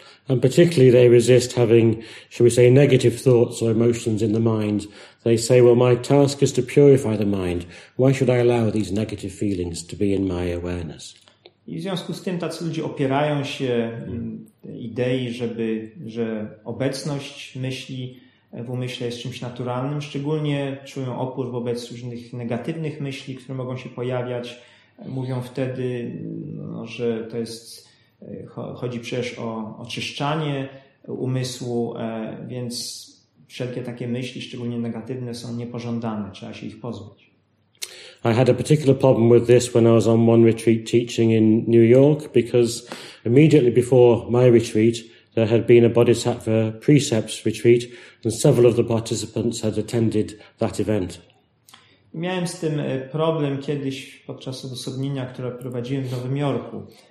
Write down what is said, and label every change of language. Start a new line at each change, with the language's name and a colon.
English: And particularly they resist having, shall we say, negative thoughts or emotions in the mind. They say, well, my task is to purify the mind. Why should I allow these negative feelings to be in my awareness?
Polish: I w związku z tym tacy ludzie opierają się idei, że obecność myśli w umyśle jest czymś naturalnym. Szczególnie czują opór wobec różnych negatywnych myśli, które mogą się pojawiać. Mówią wtedy, no, że to jest... Chodzi przecież o oczyszczanie umysłu, więc wszelkie takie myśli, szczególnie negatywne, są niepożądane. Trzeba się ich pozbyć.
English: I had a particular problem with this when I was on one retreat teaching in New York, because immediately before my retreat there had been a Bodhisattva precepts retreat and several of the participants had attended that event.
Polish: Miałem z tym problem kiedyś podczas odosobnienia, które prowadziłem w Nowym Jorku.